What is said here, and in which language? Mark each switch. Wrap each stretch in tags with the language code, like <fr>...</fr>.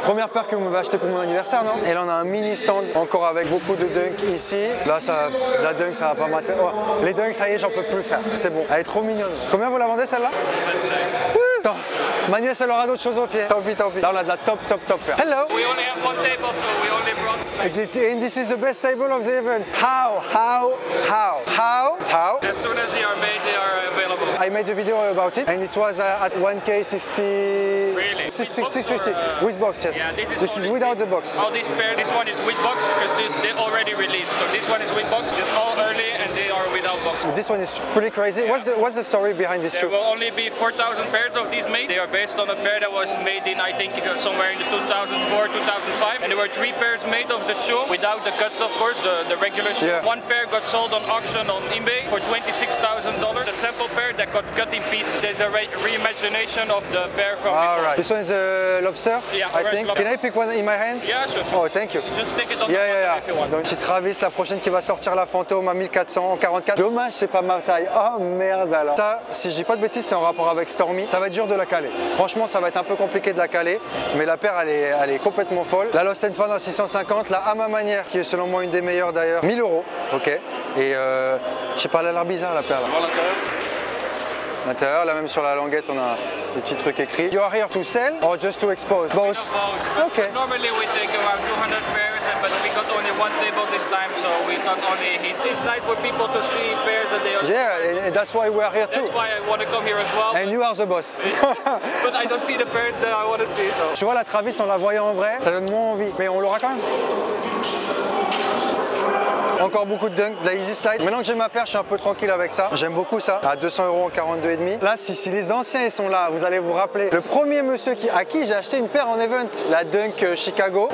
<fr>Première paire que vous m'avez acheté pour mon anniversaire, non? Et là on a un mini stand encore avec beaucoup de dunks ici. Là, ça, la dunk, ça va pas m'intéresser. Oh, les dunks, ça y est, j'en peux plus faire. C'est bon, elle est trop mignonne. Combien vous la vendez celle-là? 125. Attends, ma nièce, elle aura d'autres choses au pied. Tant pis, tant pis. Là, on a de la top paire. Hello.</fr> <en>We only have one table, so we only brought. And this is the best table of the event. How? As soon as they are made, they are available. I made a video about it, and it was at 1K 60. Really? 650. With box, yes. Yeah, this is without the box. All these pair, this one is with box because they already released. So this one is with box. It's all early, and they are without box. This one is pretty crazy. Yeah. What's the story behind this there There will only be 4,000 pairs of these made. They are based on a pair that was made in, I think, somewhere in the 2004, 2005. And there were three pairs made of the shoe, without the cuts, of course, the regular shoe. Yeah. One pair got sold on auction on eBay for $26,000. The sample pair that got cut in pieces, there's a reimagination of the pair from all before. Right. This one is a lobster, yeah, I think. Lobster. Can I pick one in my hand? Yeah, sure. Oh, thank you. Just take it on the yeah. If you want.</en> <fr>Donc, c'est Travis, la prochaine qui va sortir la Fantôme à 1400 en 44. Dommage, c'est pas ma taille. Oh merde alors. Ça, si je dis pas de bêtises, c'est en rapport avec Stormy. Ça va être dur de la caler. Franchement, ça va être un peu compliqué de la caler. Mais la paire, elle est complètement folle. La Lost and Found à 650. La à ma manière, qui est selon moi une des meilleures d'ailleurs. 1000 euros. Ok. Et je sais pas, elle a l'air bizarre la paire là. L'intérieur, là même sur la languette, on a des petits trucs écrits.</fr> <en>You are here to sell or just to expose? Both. Okay. Normally, we take around 200 pairs. But we got only one table this time, so we got only hit. It's nice for people to see pairs that they are. Yeah, and that's why we are here too. That's why I want to come here as well. And you are the boss. But I don't see the pairs that I want to see. So.</en> <fr>Tu vois la Travis, en la voyant en vrai, ça donne moins envie. Mais on l'aura quand même. Encore beaucoup de dunks, de la Easy Slide. Maintenant que j'ai ma paire, je suis un peu tranquille avec ça. J'aime beaucoup ça. À 200 euros en 42,5. Là, si les anciens sont là, vous allez vous rappeler. Le premier monsieur à qui j'ai acheté une paire en event, la Dunk Chicago.</fr>